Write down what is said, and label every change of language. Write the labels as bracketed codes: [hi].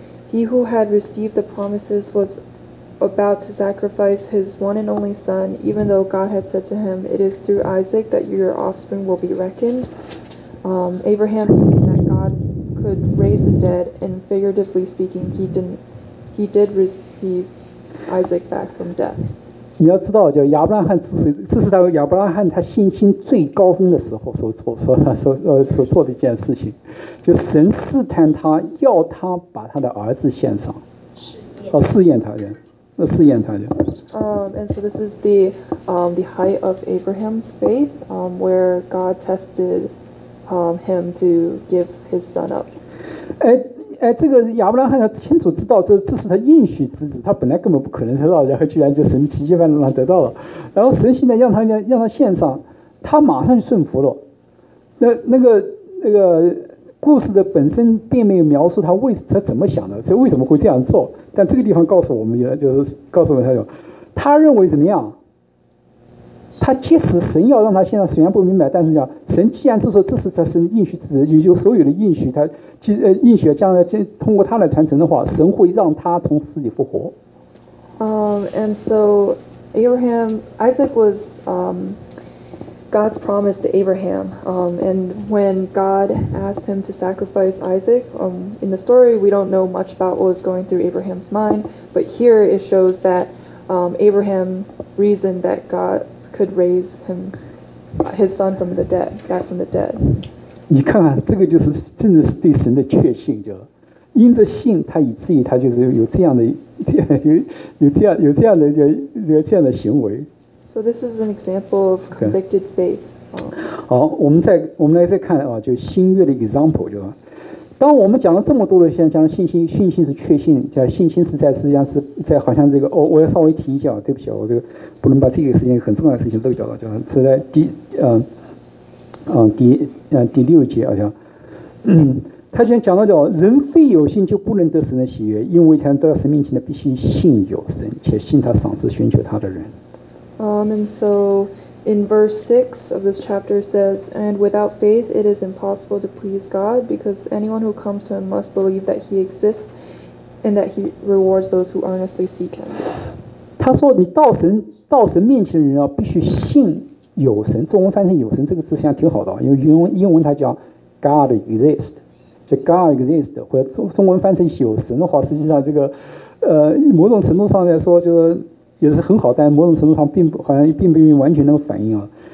[en] He who had received the promises was about to sacrifice his one and only son, even though God had said to him, it is through Isaac that your offspring will be reckoned. Abraham reasoned that God could raise the dead, and figuratively speaking, he did receive Isaac back from death. [zh] 你要知道，就亚伯拉罕之所以，这是他亚伯拉罕他信心最高峰的时候所做的一件事情，就神试探他，要他把他的儿子献上，试验他人。 [en] And so this is the height of Abraham's faith, where God tested him to give his son up. [zh] 这个亚伯拉罕他清楚知道这是他应许之子，他本来根本不可能得到，然后居然就神奇迹般让他得到了，然后神现在让他献上，他马上就顺服了。那个故事的本身并没有描述他怎么想的，这为什么会这样做，但这个地方告诉我们，就是告诉我们他认为怎么样，他即使神要让他献上，虽然不明白，但是讲神既然是说这是他是应许之子，有所有的应许，他应许将来通过他来传承的话，神会让他从死里复活。 [en] And so Abraham, Isaac was God's promise to Abraham. And when God asked him to sacrifice Isaac, in the story we don't know much about what was going through Abraham's mind, but here it shows that Abraham reasoned that God. Could raise him, his son from the dead, back from the dead. [zh] 你看看，这个就是真的是对神的确信，就因着信，他以至于他就是有这样的，有这样的行为。 [en] So this is an example of convicted faith. [zh] 好，我们来再看啊，就新约的 example， 就是当我们讲了这么多的，像讲信心是确信，讲信心是在实际上是在好像这个哦，我要稍微提一下，对不起，我这个不能把这个事情很重要的事情漏掉了，就是在第六节好像，他先讲到叫人非有信就不能得神的喜悦，因为才能得到神面前的必须信有神，且信他赏赐寻求他的人。 [en] And so in verse 6 of this chapter says, and without faith it is impossible to please God, because anyone who comes to him must believe that he exists and that he rewards those who earnestly seek him. [zh] 他说你到神面前的人必须信有神，中文翻成有神这个字像挺好的，因为英文他叫 [en] God exist， [zh] 就 God exist， 或者中文翻成有神的话，实际上这个某种程度上来说就是也是很好，但某种程度上并不好像并不完全能反映啊。